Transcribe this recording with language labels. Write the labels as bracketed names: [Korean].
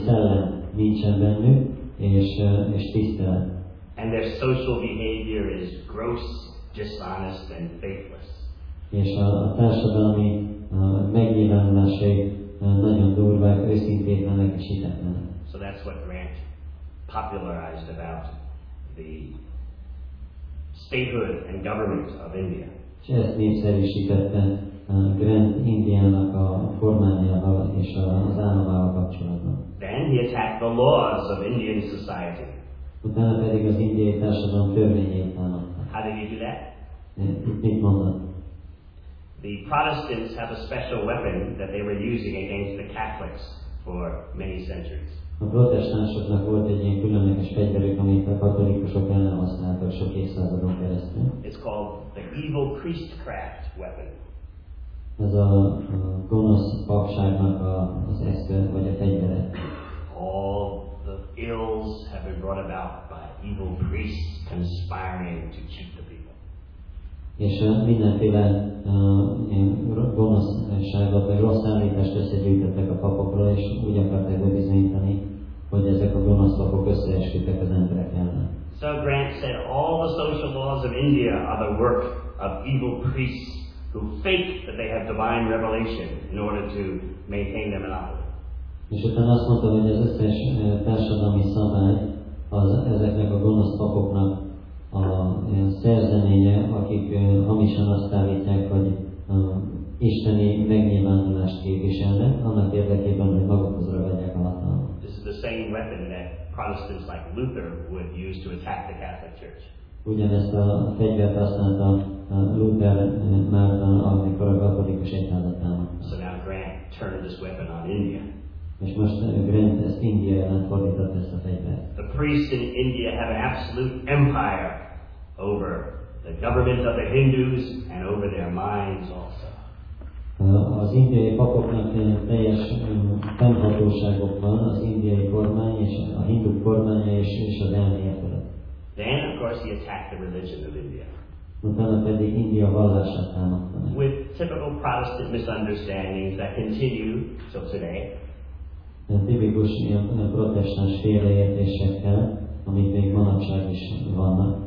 [Hungarian] szellem nincsen bennük, és tisztelet. [English] And their social behavior is gross, dishonest, and faithless. [Hungarian] És a társadalmi megnyilvánulásai nagyon durvák, őszintétlenek és hitetlenek. [English] So that's what Grant popularized about the statehood and government of India. [Hungarian] És ezt népszerűsítette Grant Indiának a kormányával és az államával kapcsolatban. [English] Then he attacked the laws of Indian society. [Hungarian] Utána pedig az indiai társadalom törvényét támadta. [English] How did he do that? [Hungarian] Mit mondott? [English] The Protestants have a special weapon that they were using against the Catholics for many centuries. [Hungarian] A protestánsoknak volt egy ilyen különleges fegyverük, amit a katolikusok ellen használtak sok évszázadon keresztül. [English] It's called the evil priestcraft weapon. [Hungarian] Ez a gonosz papságnak az eszköz, vagy a fegyvere. [English] All the ills have been brought about by evil priests conspiring to cheat the people. [Hungarian] És mindenféle gonoszságot, vagy rossz állítást összegyűjtettek a papokról, és úgy akarták bebizonyítani, hogy ezek a gonosz papok összeesküdtek az emberek ellen. [English] So Grant said, all the social laws of India are the work of evil priests who fake that they have divine revelation in order to maintain their monopoly. [Hungarian] És utána azt mondta, hogy az összes társadalmi szabály az ezeknek a gonosz papoknak a szerzeménye, akik hamisan azt állítják, hogy isteni megnyilvánulást képviselnek, annak érdekében, hogy magukhoz ragadják a hatalmat. [English] This is the same weapon that Protestants like Luther would use to attack the Catholic Church. [Hungarian] Ugyanezt a fegyvert használta Luther Márton, amikor a katolikus egyházat támadta. [English] So now Grant turned this weapon on India. [Hungarian] És most Grant ezt India ellen fordította ezt a fegyvert. [English] The priests in India have an absolute empire over the government of the Hindus and over their minds also. [Hungarian] Az indiai papoknak teljes fennhatóságok van, az indiai kormány és a hindu kormány és az elméje fölött. [English] Then, of course, he attacked the religion of India. [Hungarian] Utána pedig India vallását támadta meg. [English] With typical Protestant misunderstandings that continue till today. [Hungarian] A tipikus protestáns félreértésekkel, amik még manapság is vannak.